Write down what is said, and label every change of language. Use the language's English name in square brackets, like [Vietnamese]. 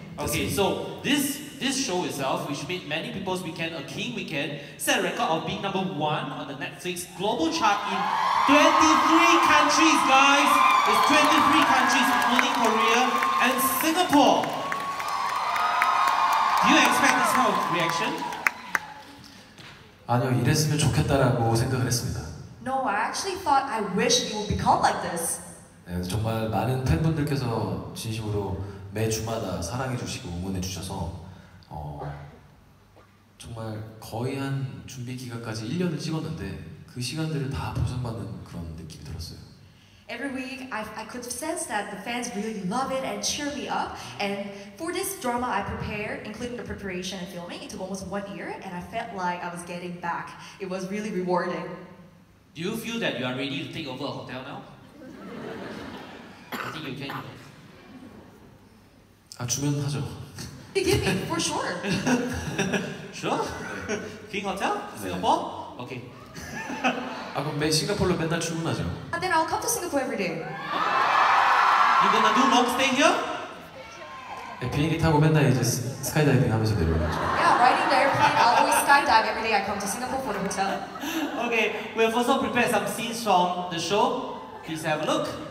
[English] Okay, so this show itself, which made many people's weekend a King Weekend, set a record of being number one on the Netflix global chart in 23 countries, guys! It's 23 countries, including Korea and Singapore! Do you expect this kind of reaction? [Korean] 아니요, 이랬으면 좋겠다라고 생각을 했습니다. [English] No, I actually thought I wish it would become like this. [Korean] 네, 정말 많은 팬분들께서 진심으로 매주마다 사랑해주시고 응원해주셔서 정말 거의 한 준비 기간까지 1년을 찍었는데 그 시간들을 다 보상받는 그런 느낌이 들었어요. [English] Every week I could sense that the fans really love it and cheer me up. And for this drama I prepared, including the preparation and filming, it took almost 1 year and I felt like I was getting back. It was really rewarding. Do you feel that you are ready to take over a hotel now? I think you can. [Korean] 아, 주면 하죠. [English] Give me, for sure. Sure? King Hotel? Singapore? 네. Okay. [Korean] 아, 그럼 매 싱가포르로 맨날 출근하죠. [English] And then I'll come to Singapore every day. You gonna do long stay here? [Korean] 네, 비행기 타고 맨날 이제 스카이다이빙 하면서 내려오죠. [English] Yeah, riding the airplane, I'll always skydive every day I come to Singapore for the hotel. Okay, we have also prepared some scenes from the show. Please have a look.